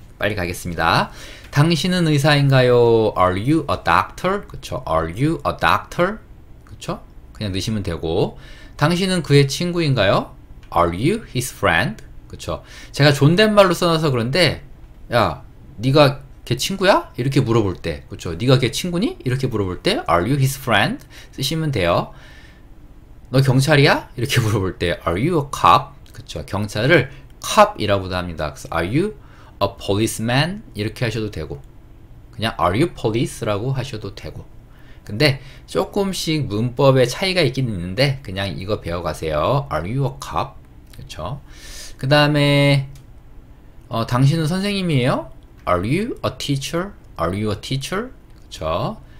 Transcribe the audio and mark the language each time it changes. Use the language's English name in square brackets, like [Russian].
[Korean] 빨리 가겠습니다. 당신은 의사인가요? [English] Are you a doctor? [Korean] 그쵸? [English] Are you a doctor? [Korean] 그쵸? 그냥 넣으시면 되고 당신은 그의 친구인가요? [English] Are you his friend? [Korean] 그쵸? 제가 존댓말로 써놔서 그런데 야, 네가 걔 친구야? 이렇게 물어볼 때 그쵸? 네가 걔 친구니? 이렇게 물어볼 때 [English] Are you his friend? [Korean] 쓰시면 돼요. 너 경찰이야? 이렇게 물어볼 때 [English] Are you a cop? [Korean] 그쵸? 경찰을 cop이라고도 합니다. [English] 그래서 Are you a policeman? [Korean] 이렇게 하셔도 되고 그냥 [English] Are you police? [Korean] 라고 하셔도 되고 근데 조금씩 문법에 차이가 있긴 있는데 그냥 이거 배워가세요. [English] Are you a cop? [Korean] 그쵸? 그 다음에 당신은 선생님이에요? [English] Are you a teacher? Are you a teacher? [Korean] 그쵸?